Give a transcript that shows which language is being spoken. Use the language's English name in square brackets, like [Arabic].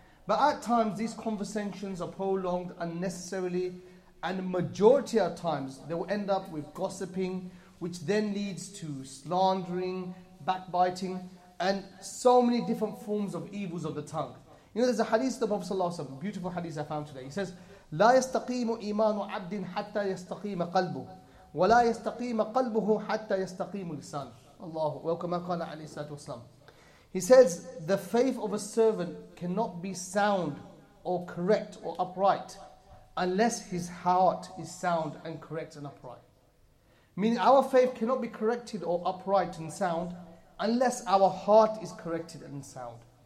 [English] But at times these conversations are prolonged unnecessarily, and the majority of times they will end up with gossiping, which then leads to slandering, backbiting, and so many different forms of evils of the tongue. You know, there's a hadith of the Prophet Sallallahu Alaihi Wasallam, beautiful hadith I found today. He says, [Arabic] لا يستقيم إيمان عبد حتى يستقيم قلبه ولا يستقيم قلبه حتى يستقيم لسان. الله وكما قال عليه الصلاة والسلام. [English] He says, the faith of a servant cannot be sound or correct or upright unless his heart is sound and correct and upright. Meaning our faith cannot be corrected or upright and sound unless our heart is corrected and sound.